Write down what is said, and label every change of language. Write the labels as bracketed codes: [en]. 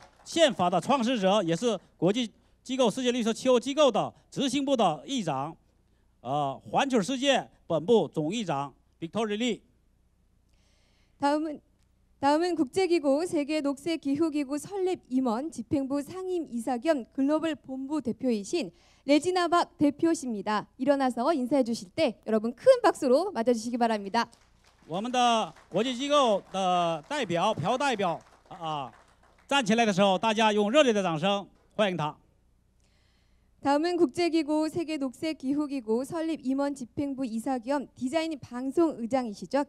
[zh] 才有今天的活动，我们国际机构世界绿色气候机构宪法的创始者，也是国际 机构世界绿色气候机构的执行部的议长，环球世界本部总议长Victoria Lee。 [ko] 다음은 국제기구 세계 녹색기후기구 설립 임원 집행부 상임 이사 겸 글로벌 본부 대표이신 레지나 박 대표십니다. 일어나서 인사해 주실 때 여러분 큰 박수로 맞아주시기 바랍니다. [zh] 我们的国际机构的代表朴代表站起来的时候，大家用热烈的掌声欢迎他。 [ko] 다음은 국제기구 세계녹색기후기구 설립 임원 집행부 이사 겸 디자인 방송 의장이시죠.